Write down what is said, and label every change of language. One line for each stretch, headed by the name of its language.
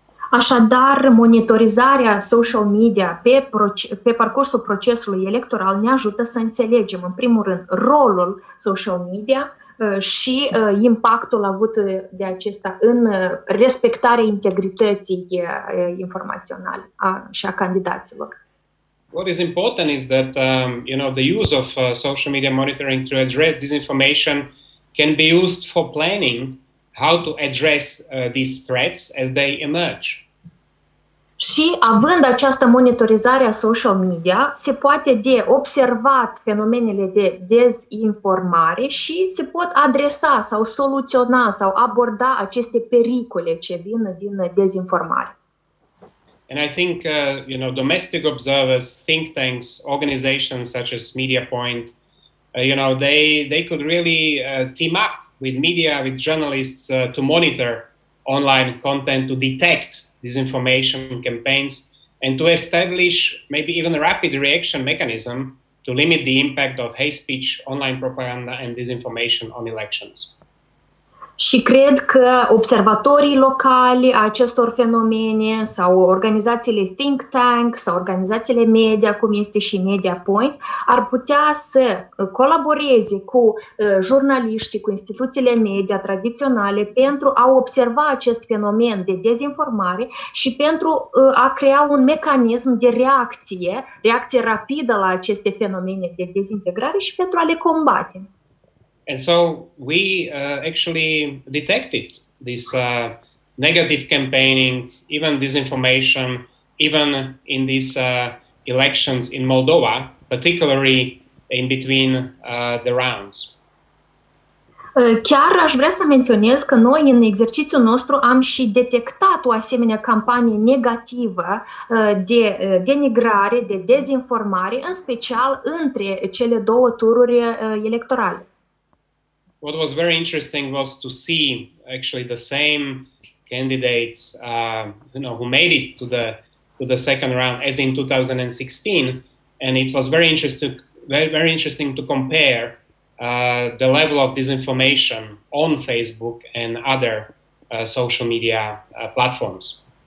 Romanian: Așadar, monitorizarea social media pe parcursul procesului electoral ne ajută să înțelegem, în primul rând, rolul social media și impactul avut de acesta în respectarea integrității informaționale și a candidaților.
English: What is important is that the use of social media monitoring to address disinformation can be used for planning how to address these threats as they emerge.
Romanian: Și având această monitorizare a social media, se poate de observat fenomenele de dezinformare și se pot adresa sau soluționa sau aborda aceste pericole ce vin din dezinformare.
English: And I think domestic observers, think tanks, organizations such as MediaPoint, they could really team up with media, with journalists to monitor online content, to detect disinformation campaigns, and to establish maybe even a rapid reaction mechanism to limit the impact of hate speech, online propaganda and disinformation on elections.
Romanian: Și cred că observatorii locali a acestor fenomene sau organizațiile think tank sau organizațiile media, cum este și MediaPoint, ar putea să colaboreze cu jurnaliștii, cu instituțiile media tradiționale pentru a observa acest fenomen de dezinformare și pentru a crea un mecanism de reacție rapidă la aceste fenomene de dezintegrare și pentru a le combate.
English: And so we actually detected this negative campaigning, even disinformation, even in these elections in Moldova, particularly in between the rounds.
Romanian: Chiar aș vrea să menționez că noi în exercițiul nostru am și detectat o asemenea campanie negativă de denigrare, de dezinformare, în special între cele două tururi electorale.
English: What was very interesting was to see actually the same candidates who made it to the second round as in 2016, and it was very interesting to compare the level of disinformation on Facebook and other social media platforms.